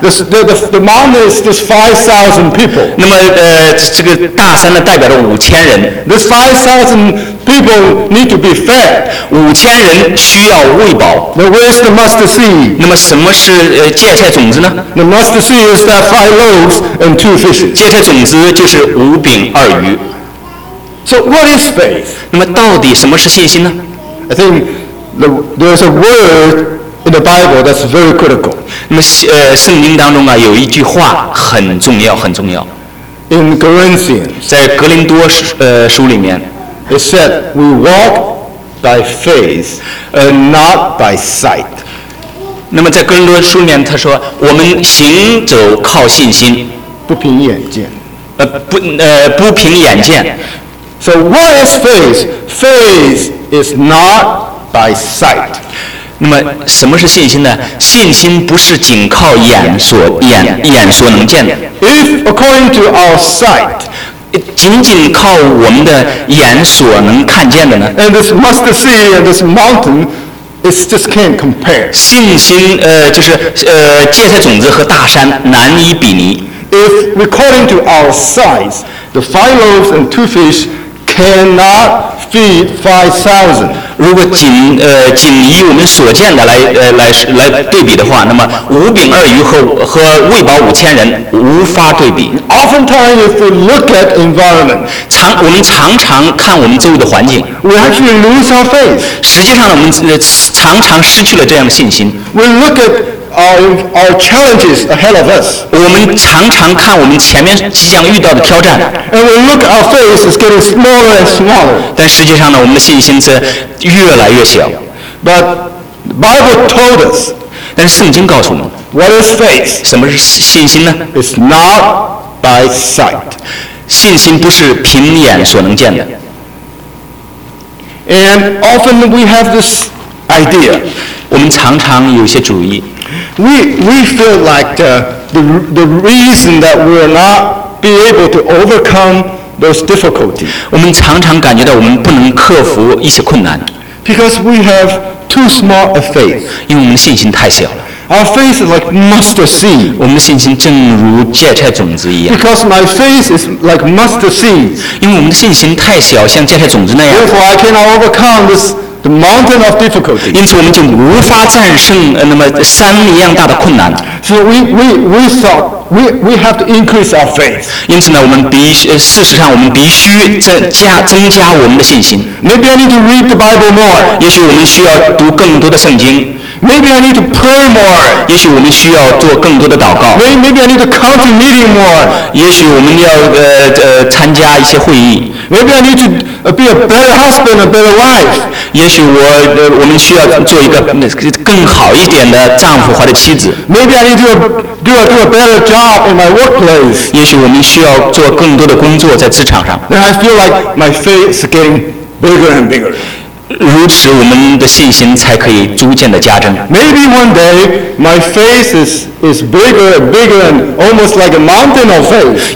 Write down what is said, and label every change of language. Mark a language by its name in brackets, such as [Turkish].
[English] The mountain is just 5,000 people. [Chinese] 那么这个大山呢，代表着五千人。 [English] This 5,000 people need to be fed. [Chinese] 五千人需要喂饱。 [English] Now where's the mustard seed? [Chinese] 那么什么是芥菜种子呢 [English] ？The mustard seed is that five loaves and two fishes. [Chinese] 芥菜种子就是五饼二鱼。 [English] So what is faith? [Chinese] 那么到底什么是信心呢 [English] ？I think there's a word in the Bible that's very critical. [Chinese] 那么圣经当中啊有一句话很重要，很重要。 [English] In Corinthians, [Chinese] 在格林多书里面 [English] ，it said we walk by faith and not by sight. [Chinese] 那么在格林多书里面，他说我们行走靠信心，不凭眼见。不凭眼见。 [English] So what is faith? Faith is not by sight. [Chinese] 那么什么是信心呢？信心不是仅靠眼所能见的。 [English] If according to our sight, [Chinese] 仅仅靠我们的眼所能看见的呢 [English] ？And this mustard seed and this mountain, it just can't compare. [Chinese] 信心就是芥菜种子和大山难以比拟。 [English] If according to our sight, the five loaves and two fish cannot feed 5,000. [Chinese] 如果仅以我们所见的来对比的话，那么五饼二鱼和喂饱五千人无法对比。 [English] Oftentimes, if we look at environment, [Chinese] 我们常常看我们周围的环境 [English] ，we actually lose our faith. [Chinese] 实际上，我们常常失去了这样的信心。 [English] We look at our challenges ahead of us. [Chinese] 我们常常看我们前面即将遇到的挑战。 [English] And we look our faith is getting smaller and smaller. [Chinese] 但实际上呢，我们的信心是越来越小。 [English] But Bible told us. [Chinese] 但是圣经告诉我们。 [English] What is faith? [Chinese] 什么是信心呢 [English] ？It's not by sight. [Chinese] 信心不是凭眼所能见的。 [English] And often we have this idea. [Chinese] 我们常常有些主意。 [English] We feel like the reason that we will not be able to overcome those difficulties. [Chinese] 我们常常感觉到我们不能克服一些困难。 [English] Because we have too small a faith. [Chinese] 因为我们的信心太小了。 [English] Our faith is like mustard seed. [Chinese] 我们的信心正如芥菜种子一样。 [English] Because my faith is like mustard seed. [Chinese] 因为我们的信心太小，像芥菜种子那样。 [English] Therefore, I cannot overcome this. The mountain of difficulty. [Chinese] 因此我们就无法战胜那么山一样大的困难。 [English] So we have to increase our faith. [Chinese] 因此呢，我们事实上我们必须增加我们的信心。 [English] Maybe I need to read the Bible more. [Chinese] 也许我们需要读更多的圣经。 [English] Maybe I need to pray more. [Chinese] 也许我们需要做更多的祷告。 [English] Maybe I need to come to meeting more. [Chinese] 也许我们要参加一些会议。 [English] Maybe I need to be a better husband, a better wife. [Chinese] 也许我们需要做一个更好一点的丈夫或者妻子。 [English] Maybe I need to do a better job in my workplace. [Chinese] 也许我们需要做更多的工作在职场上。 [English] Then I feel like my faith is getting bigger and bigger. [Chinese] 如此，我们的信心才可以逐渐的加增。 [English] Maybe one day my faith is bigger and bigger and almost like a mountain of faith.